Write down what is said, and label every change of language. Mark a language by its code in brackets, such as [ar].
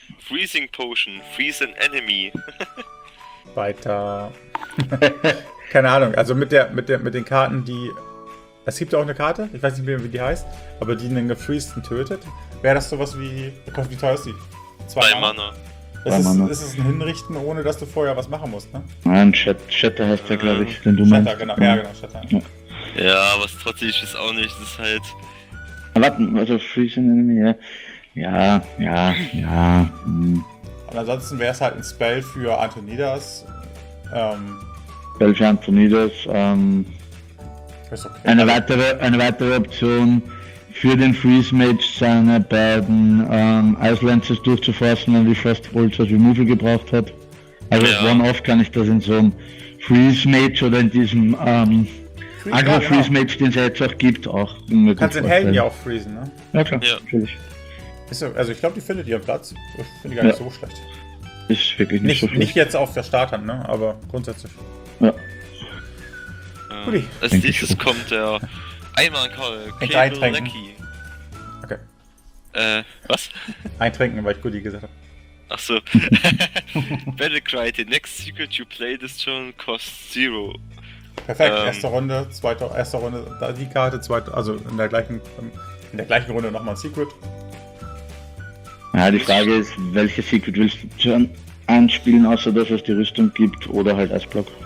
[en] Freezing Potion, freeze an enemy. [de] Weiter. Keine Ahnung, also mit den Karten, die... Es gibt ja auch eine Karte, ich weiß nicht mehr, wie die heißt, aber die einen gefreezten tötet. Wäre das sowas wie... Wie teuer ist die? 2 Mana. Ist es ein Hinrichten, ohne dass du vorher was machen musst, ne? Nein, Shatter heißt der, glaube ich, den du Shatter, meinst. Genau. Ja, genau, Shatter. Ja, aber trotzdem ist es auch nicht, das ist halt... Warte, also Freezing Enemy, ja. Und ansonsten wäre es halt ein Spell für Antonidas. Spell für Antonidas, ist okay. Eine weitere Option... Für den Freeze Mage seine beiden Icelances durchzuforsten, wenn die Fast Bolt das Removal gebraucht hat. Also One-Off kann ich das in so einem Freeze Mage oder in diesem Agro Freeze Mage, den es jetzt auch gibt, auch. Kannst den Helden ja auch freezen, ne? Ja, klar, natürlich. Also ich glaube, die findet ihren Platz. Ich finde die gar nicht so schlecht. Ist wirklich nicht so schlecht. Nicht jetzt auf der Starthand, ne? Aber grundsätzlich. Ja. Pudi. Als nächstes kommt der. Einmal ein Call, Kaelalaki. Okay. Was? Eintrinken, weil ich Goodie gesagt habe. Achso. [en] Battlecry, the next secret you play this turn costs 0. [de] Perfekt, erste Runde, da die Karte, zweite, also in der gleichen Runde nochmal ein Secret. Ja, die Frage ist, welche Secret willst du Turn einspielen, außer dass es die Rüstung gibt oder halt Eisblock?